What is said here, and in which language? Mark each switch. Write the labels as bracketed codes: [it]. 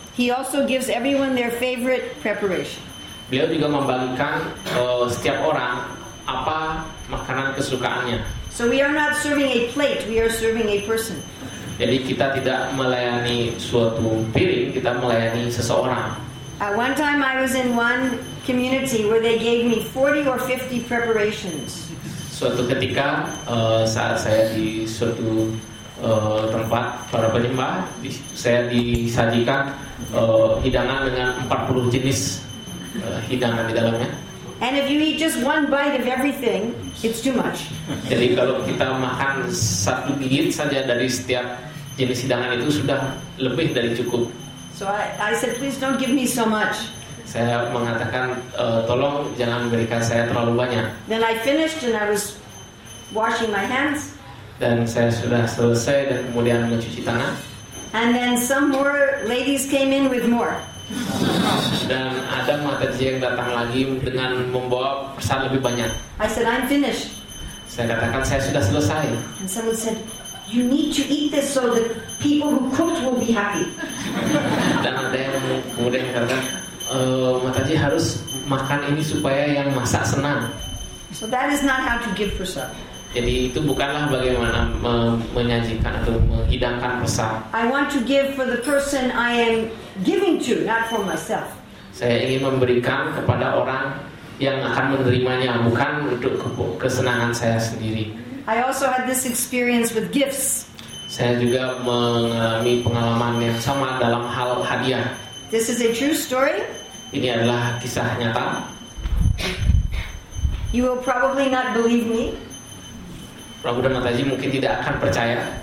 [en] he also gives everyone their favorite preparation. [id] Beliau juga membagikan setiap orang apa makanan kesukaannya. [en] So we are not serving a plate, we are serving a person. [id] Jadi kita tidak melayani suatu piring, kita melayani seseorang. [en] At one time I was in one community where they gave me 40 or 50 preparations. [id] Suatu ketika saat saya di suatu tempat para penyembah, saya disajikan hidangan dengan 40 jenis hidangan di dalamnya. [en] And if you eat just one bite of everything, it's too much. [id] Jadi kalau kita makan satu gigit saja dari setiap jenis hidangan itu sudah lebih dari cukup. [en] So I said, please don't give me so much. [id] Saya mengatakan, tolong jangan berikan saya terlalu banyak. [en] Then I finished and I was washing my hands. [id] Dan saya sudah selesai dan kemudian mencuci tangan. [en] And then some more ladies came in with more. [id] Dan ada mataji yang datang lagi dengan membawa pesan lebih banyak. [en] I said, I'm finished. [id] Saya katakan saya sudah selesai. [en] And someone said, you need to eat this so the people who cooked will be happy. [id] Dan ada yang kemudian katakan, mataji harus makan ini supaya yang masak senang. [en] So that is not how to give prasad. [id] Jadi itu bukanlah bagaimana menyajikan atau menghidangkan pesan. [en] I want to give for the person I am giving to, not for myself. [id] Saya ingin memberikan kepada orang yang akan menerimanya, bukan untuk kesenangan saya sendiri. [en] I also had this experience with gifts. [id] Saya juga mengalami pengalaman yang sama dalam hal hadiah. [en] This is a true story. [id] Ini adalah kisah nyata. [en] You will probably not believe me. [id] Prabhu dan Mataji mungkin tidak akan percaya.